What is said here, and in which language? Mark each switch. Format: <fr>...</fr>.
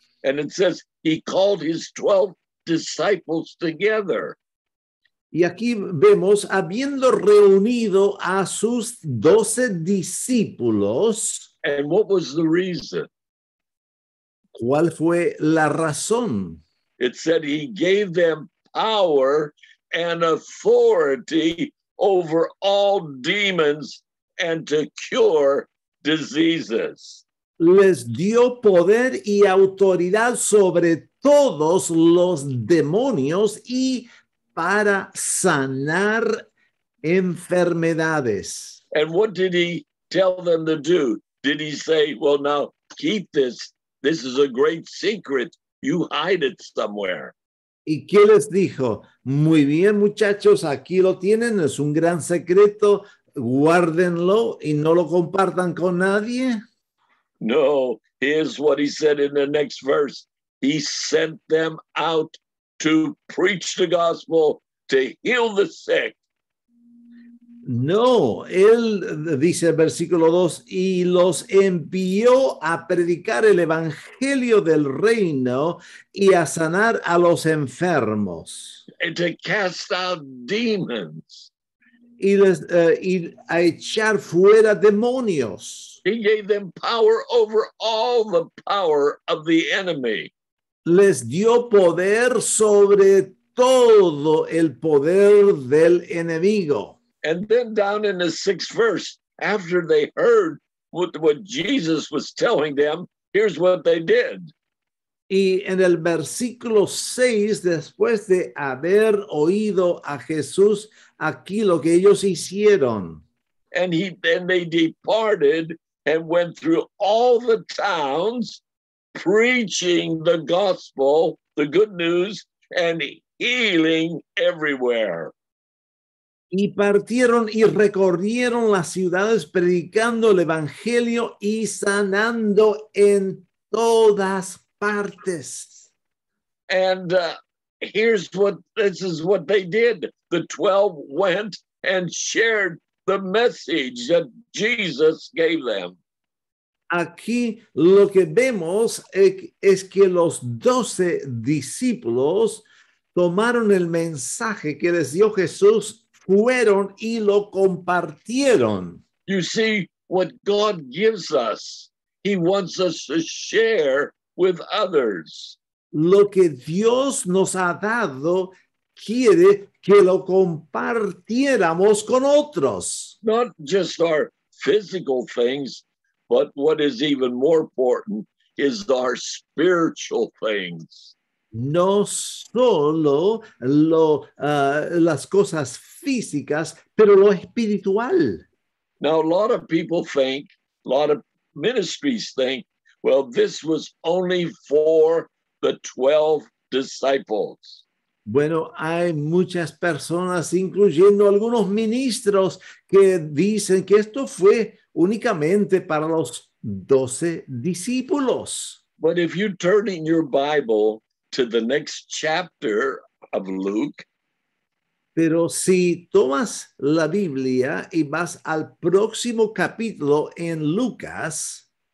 <en>And it says, he called his 12 disciples together.</en> <es>Y aquí vemos, habiendo reunido a sus 12 discípulos,</es> <en>And what was the reason?</en> <es>¿cuál fue la razón?</es> <en>It said he gave them power and authority over all demons and to cure diseases.</en> <es>Les dio poder y autoridad sobre todos los demonios y para sanar enfermedades.</es> <en>And what did he tell them to do? Did he say, well, now keep this? This is a great secret. You hide it somewhere.</en> <es>¿Y qué les dijo? Muy bien, muchachos, aquí lo tienen, es un gran secreto, guárdenlo y no lo compartan con nadie.</es> <en>No, here's what he said in the next verse. He sent them out to preach the gospel, to heal the sick.</en> <es>No, él dice el versículo 2, y los envió a predicar el evangelio del reino y a sanar a los enfermos.</es> <en>And to cast out demons.</en> <es>Y a echar fuera demonios.</es> <en>He gave them power over all the power of the enemy.</en> <es>Les dio poder sobre todo el poder del enemigo.</es> <en>And then down in the sixth verse, after they heard what Jesus was telling them, here's what they did.</en> <es>Y en el versículo 6, después de haber oído a Jesús, aquí lo que ellos hicieron.</es> <en>And he then they departed and went through all the towns preaching the gospel, the good news, and healing everywhere.</en> <es>Y partieron y recorrieron las ciudades predicando el evangelio y sanando en todas partes.</es> <en>And here's what this is what they did. The 12 went and shared the message that Jesus gave them.</en> <es>Aquí lo que vemos es que los 12 discípulos tomaron el mensaje que les dio Jesús, fueron y lo compartieron.</es> <en>You see what God gives us. He wants us to share with others.</en> <es>Lo que Dios nos ha dado quiere que lo compartiéramos con otros.</es> <en>Not just our physical things, but what is even more important is our spiritual things.</en> <es>No solo las cosas físicas, pero lo espiritual.</es> <en>Now, a lot of people think, a lot of ministries think, well, this was only for the 12 disciples.</en> <es>Bueno, hay muchas personas, incluyendo algunos ministros, que dicen que esto fue únicamente para los 12 discípulos.</es> <en>But if you turn in your Bible to the next chapter of Luke.</en> <es>Pero si tomas la Biblia y vas al próximo capítulo en Lucas,</es>